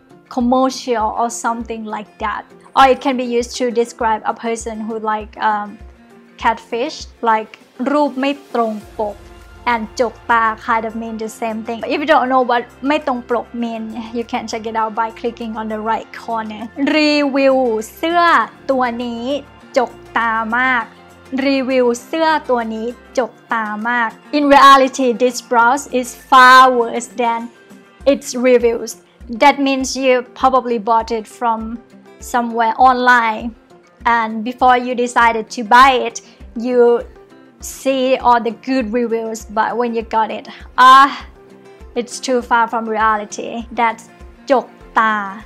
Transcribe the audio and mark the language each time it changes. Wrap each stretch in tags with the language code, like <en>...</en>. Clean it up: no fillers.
<en>Commercial or something like that, or it can be used to describe a person who like catfish, like รูปไม่ตรงปก and จกตา kind of mean the same thing. If you don't know what ไม่ตรงปก mean, you can check it out by clicking on the right corner.</en> <th>รีวิวเสื้อตัวนี้จกตามากรีวิวเสื้อตัวนี้จกตามาก</th> <en>In reality, this blouse is far worse than its reviews. That means you probably bought it from somewhere online and before you decided to buy it, you see all the good reviews, but when you got it, it's too far from reality. That's จกตา</en>